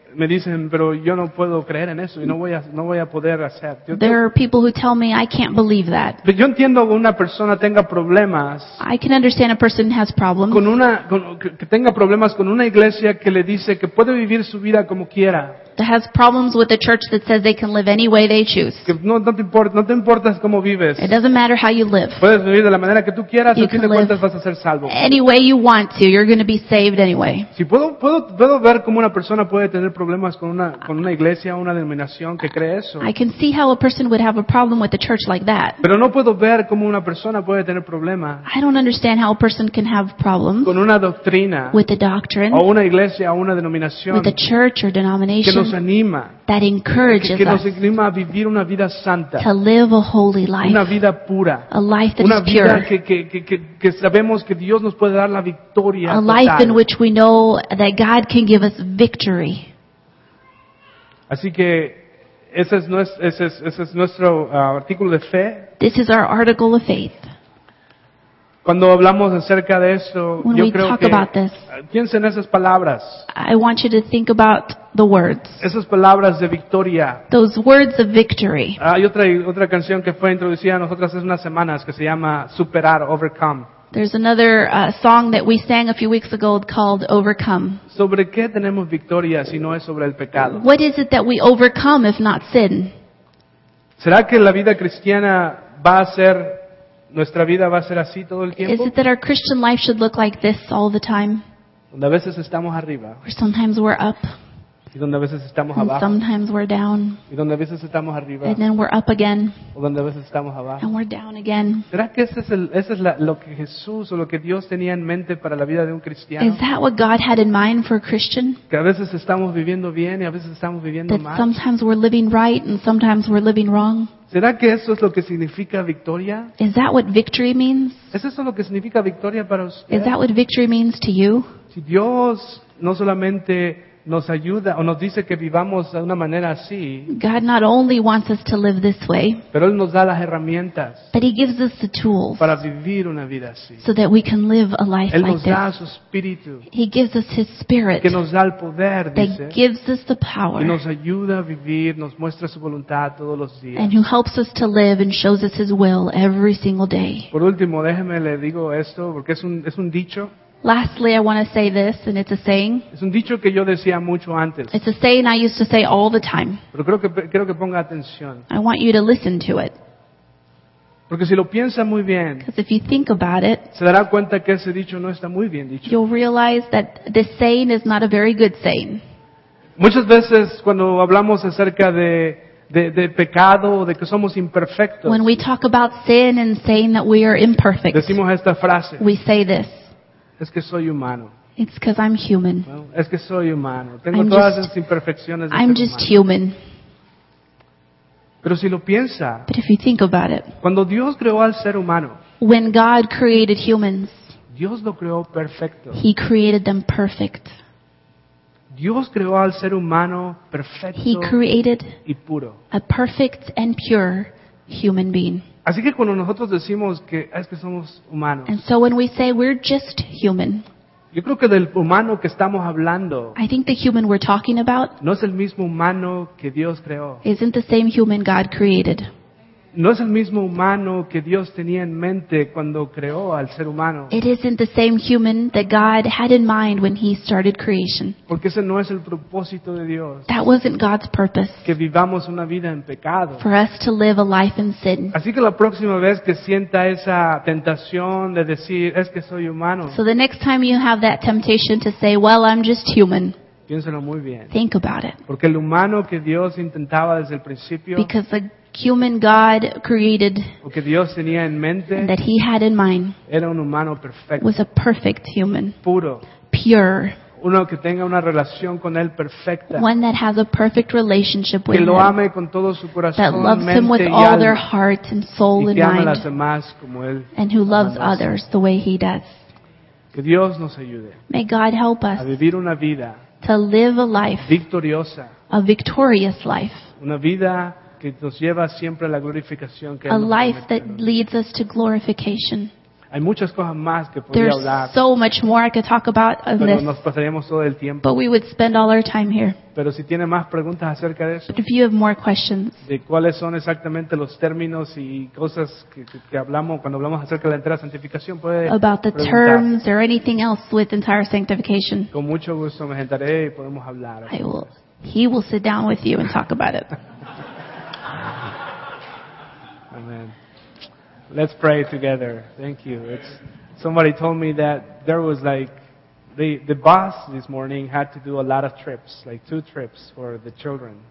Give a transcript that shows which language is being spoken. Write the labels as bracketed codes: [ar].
[es] me dicen, pero yo no puedo creer en eso y no voy a poder hacer. [en] There are people who tell me I can't believe that. [es] Pero yo entiendo que una persona tenga problemas. [en] I can understand a person has problems. [es] Que tenga problemas con una iglesia que le dice que puede vivir su vida como quiera. [en] That has problems with a church that says they can live any way they choose. [es] No te importas cómo vives. [en] It doesn't matter how you live. [es] Puedes vivir de la manera que tú quieras, a fin de cuentas vas a ser salvo. [en] Any way you want to, you're going to be saved anyway. [es] Si puedo ver cómo una persona puede tener problemas con una iglesia o una denominación que cree eso. [en] I can see how a person would have a problem with a church like that. [es] Pero no puedo ver cómo una persona puede tener problemas. [en] I don't understand how a person can have problems. [es] Con una doctrina. [en] With a doctrine. [es] O una iglesia o una denominación. [en] With a church or denomination. [es] Nos anima, [en] that encourages [es] que nos anima a vivir una vida santa, [en] to live a holy life, [es] una vida pura, [en] a life that [es] una [en] is [es] vida [en] pure, [es] que sabemos que Dios nos puede dar la victoria, [en] a [es] total, [en] life in which we know that God can give us victory. [es] Así que ese es nuestro artículo de fe. [en] This is our article of faith. [es] Cuando hablamos acerca de eso, [en] when [es] yo creo que [en] this, [es] piensen esas palabras. [en] I want you to think about the words. [es] Esas palabras de victoria. [en] Those words of victory. [es] Hay otra canción que fue introducida a nosotras hace unas semanas que se llama Superar, Overcome. [en] There's another song that we sang a few weeks ago called Overcome. [es] ¿Sobre qué tenemos victoria si no es sobre el pecado? [en] What is it that we overcome if not sin? [es] ¿Será que la vida cristiana va a ser nuestra vida va a ser así todo el tiempo? [en] Is it that our Christian life should look like this all the time? [es] Donde a veces estamos arriba. [en] Or sometimes we're up. [es] Y donde a veces estamos abajo. [en] And sometimes we're down. [es] Y donde a veces estamos arriba. [en] And then we're up again. [es] O donde a veces estamos abajo. [en] And we're down again. [es] ¿Será que lo que Jesús o lo que Dios tenía en mente para la vida de un cristiano? [en] Is that what God had in mind for a Christian? [es] Que a veces estamos viviendo bien y a veces estamos viviendo [en] that [es] mal. [en] That sometimes we're living right and sometimes we're living wrong. [es] ¿Será que eso es lo que significa victoria? [en] Is that what victory means? [es] ¿Es eso lo que significa victoria para usted? [en] Is that what victory means to you? [es] Si Dios no solamente nos ayuda o nos dice que vivamos de una manera así, [en] God not only wants us to live this way, [es] pero Él nos da las herramientas, [en] but He gives us the tools, [es] para vivir una vida así, [en] so that we can live a life [es] Él [en] like this. [es] Él nos da su Espíritu, [en] He gives us His Spirit, [es] que nos da el poder, [en] that [es] dice, [en] gives us the power, [es] y nos ayuda a vivir, nos muestra su voluntad todos los días, [en] and who helps us to live and shows us His will every single day. [es] Por último, déjeme le digo esto porque es un dicho. [en] Lastly, I want to say this, and it's a saying. [es] Es un dicho que yo decía mucho antes. [en] It's a saying I used to say all the time. [es] Pero creo que ponga atención. [en] I want you to listen to it. [es] Porque si lo piensa muy bien, [en] because if you think about it, [es] se dará cuenta que ese dicho no está muy bien dicho. [en] You'll realize that this saying is not a very good saying. [es] Muchas veces cuando hablamos acerca de pecado o de que somos imperfectos, [en] when we talk about sin and saying that we are imperfect, [es] decimos esta frase. [en] We say this. [es] Es que soy humano. [en] It's because I'm human. [es] Well, es que soy humano. Tengo todas las imperfecciones de [en] I'm just human. [es] Pero si lo piensa, [en] but if you think about it, [es] cuando Dios creó al ser humano, [en] when God created humans, [es] Dios lo creó perfecto. [en] He created them perfect. [es] Dios creó al ser humano perfecto [en] He created [es] y puro. [en] A perfect and pure human being. [es] Así que cuando nosotros decimos que es que somos humanos, [en] and so when we say we're just human, [es] yo creo que del humano que estamos hablando, [en] I think the human we're talking about, [es] no es el mismo humano que Dios creó, [en] isn't the same human God created, [es] no es el mismo humano que Dios tenía en mente cuando creó al ser humano, [en] it isn't the same human that God had in mind when He started creation, [es] porque ese no es el propósito de Dios, [en] that wasn't God's purpose, [es] que vivamos una vida en pecado, [en] for us to live a life in sin. [es] Así que la próxima vez que sienta esa tentación de decir es que soy humano, [en] so the next time you have that temptation to say well I'm just human, [es] piénselo muy bien, [en] think about it, [es] porque el humano que Dios intentaba desde el principio, [en] because the human God created, [es] lo que Dios tenía en mente, [en] and that He had in mind, [es] era un humano perfecto, [en] was a perfect human, [es] puro, [en] pure, [es] uno que tenga una relación con Él perfecta, [en] one that has a perfect relationship with [es] que lo ame [en] him, [es] con todo su corazón, [en] that loves [es] mente, [en] Him with all [es] alma, [en] their heart and soul [es] y que [en] and mind, [es] a las demás como él [en] and who loves others the way He does. [es] Que Dios nos ayude, [en] may God help us [es] a vivir una vida, [en] to live a life, [es] victoriosa, [en] a victorious life, [es] una vida que nos lleva siempre a la glorificación que [en] a life that leads us to glorification. [es] Hay muchas cosas más que podría hablar. [en] There's so much more I could talk about on this. [es] Pero nos pasaríamos todo el tiempo. [en] But we would spend all our time here. [es] Pero si tiene más preguntas acerca de eso. [en] But if you have more questions. [es] De cuáles son exactamente los términos y cosas que hablamos cuando hablamos acerca de la entera santificación, puede preguntar. [en] About the terms or anything else with entire sanctification. [es] Con mucho gusto me sentaré y podemos hablar. [en] He will sit down with you and talk about it. Amen. Let's pray together. Thank you. Somebody told me that there was like the bus this morning had to do a lot of trips, like two trips for the children.